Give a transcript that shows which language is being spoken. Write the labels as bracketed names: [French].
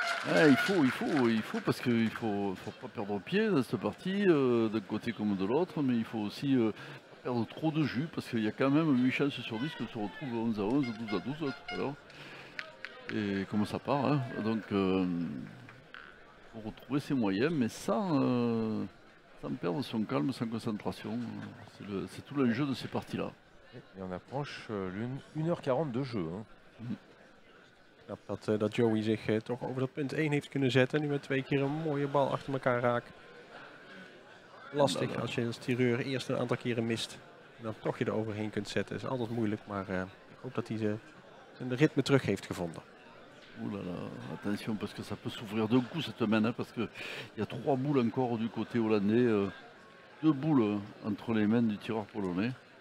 [French] Ouais, il faut parce qu'il faut pas perdre pied dans cette partie, d'un côté comme de l'autre, mais il faut aussi perdre trop de jus parce qu'il y a quand même 8 chances sur 10 que se retrouve 11 à 11, 12 à 12 tout à l'heure. Et comment ça part, hein. Donc, il faut retrouver ses moyens, mais sans perdre son calme, sans concentration. C'est tout l'enjeu de ces parties-là. Et on approche 1h40 de jeu. Hein. [Dutch] Ja, dat Joey zich toch over dat punt 1 heeft kunnen zetten. Nu met twee keer een mooie bal achter elkaar raak. Lastig als je als tireur eerst een aantal keren mist. En dan toch je er overheen kunt zetten. Is altijd moeilijk, maar ik hoop dat hij zijn ritme terug heeft gevonden. [French] Oulala, attention, parce que ça peut s'ouvrir d'un coup cette main. Hein, parce que il y a trois boules encore du côté hollandais. Deux boules entre les mains du tireur polonais.